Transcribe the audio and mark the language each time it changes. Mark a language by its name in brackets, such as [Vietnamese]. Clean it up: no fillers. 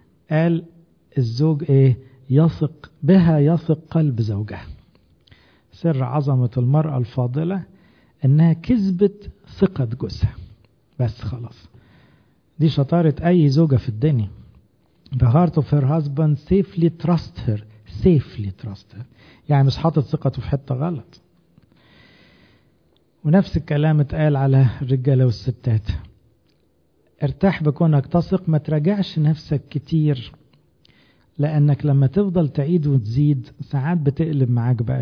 [Arabic] قال الزوج ايه؟ يثق بها، يثق قلب زوجها. سر عظمة المرأة الفاضلة انها كذبت ثقة جوزها بس. خلاص دي شطارة اي زوجة في الدنيا. [English] The heart of her husband safely trust her. safely trust her [Arabic] يعني مش حاطط ثقته في حته غلط. ونفس الكلام اتقال على الرجاله والستات. ارتاح بكونك تثق، ما تراجعش نفسك كتير، لانك لما تفضل تعيد وتزيد ساعات بتقلب معاك بقى.